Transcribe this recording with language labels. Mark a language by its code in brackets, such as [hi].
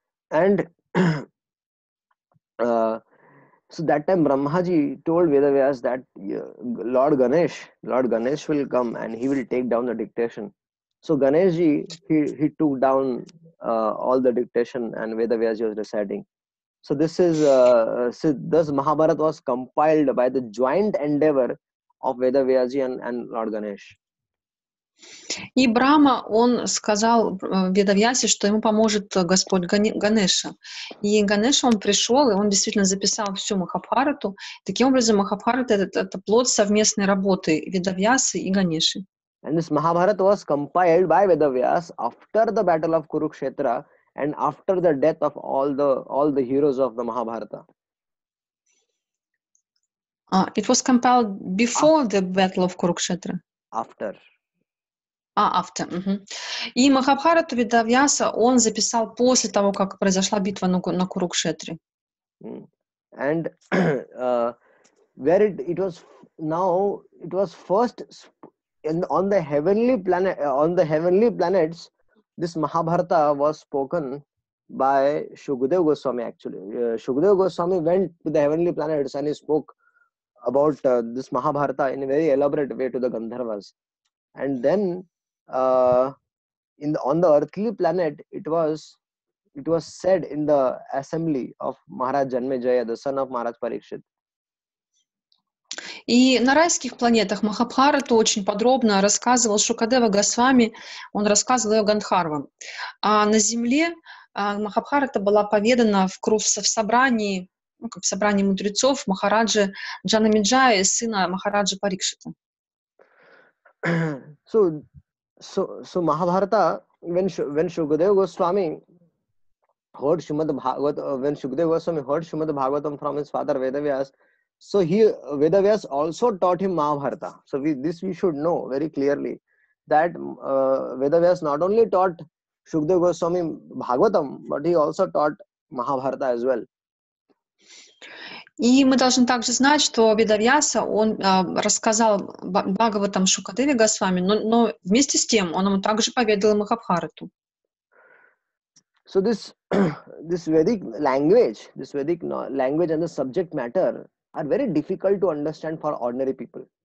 [en] And so that time Brahmaji told Vedavyas that Lord Ganesh will come and he will take down the dictation. So Ganeshji, he took down all the dictation and Vedavyas was reciting. So this is thus Mahabharata was compiled by the joint endeavor of Vedavyasi and Lord Ganesh. [ru] И Брама, он сказал Ведавьясе, что ему поможет Господь Ганеша. И Ганеша, он пришел, и он действительно записал всю Махабхарату. Таким образом, Махабхарата — это плод совместной работы Ведавьясы и Ганеши. [en] And this Mahabharata was compiled by Vedavyas after the battle of Kurukshetra and after the death of all the heroes of the Mahabharata. It was compiled before the battle of Kurukshetra. After. After. Uh-huh. [ru] И Махабхарату Ведавьяса он записал после того, как произошла битва на Курукшетре. [en] And on the heavenly planets, this Mahabharata was spoken by Shukadev Goswami. Actually, Shukadev Goswami went to the heavenly planets and he spoke about this Mahabharata in a very elaborate way to the Gandharvas, and then on the earthly planet, it was said in the assembly of Maharaj Janmejaya, the son of Maharaj Parikshit. [ru] И на райских планетах Махабхарату очень подробно рассказывал Шукадева Госвами, он рассказывал ее Гандхарвам. А на земле Махабхарата была поведана в собрании мудрецов Махараджа Джанамеджая, сына Махараджа Парикшита. [en] So Mahabharata, when Shukadev Goswami heard Shrimad Bhagavatam, when Shukadev Goswami heard Shrimad Bhagavatam from his father Vedavyas, so he Vedavyas also taught him Mahabharata. So this we should know very clearly. that Vedavyas not only taught Shukdev Goswami Bhagavatam, but he also taught Mahabharata as well. [ru] И мы должны также знать, что Ведавьяса, он рассказал Бхагаватам Шукадеве Госвами, но вместе с тем он ему также поведал Махабхарату. [en] So this Vedic language and the subject matter are very difficult to understand for ordinary people.